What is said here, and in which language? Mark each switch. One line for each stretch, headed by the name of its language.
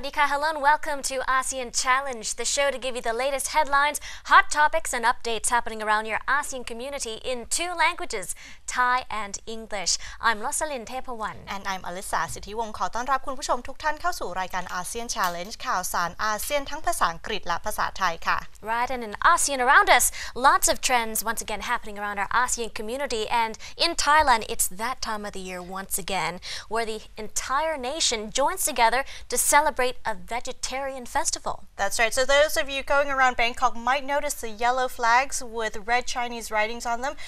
English: Hello and welcome to ASEAN Challenge, the show to give you the latest headlines, hot topics, and updates happening around your ASEAN community in two languages, Thai and English. I'm Rosalind Tepawan. And I'm Alyssa Sithiwong.
Thai: ขอต้อนรับคุณผู้ชมทุกท่านเข้าสู่รายการ ASEAN Challenge, ข่าวสารอาเซียนทั้งภาษาอังกฤษและภาษาไทยค่ะ
English: Right, and in ASEAN around us, lots of trends once again happening around our ASEAN community. And in Thailand, it's that time of the year once again, where the entire nation joins together to celebrate a vegetarian festival. That's right. So those of you going around Bangkok might notice the yellow flags with red Chinese writings on them.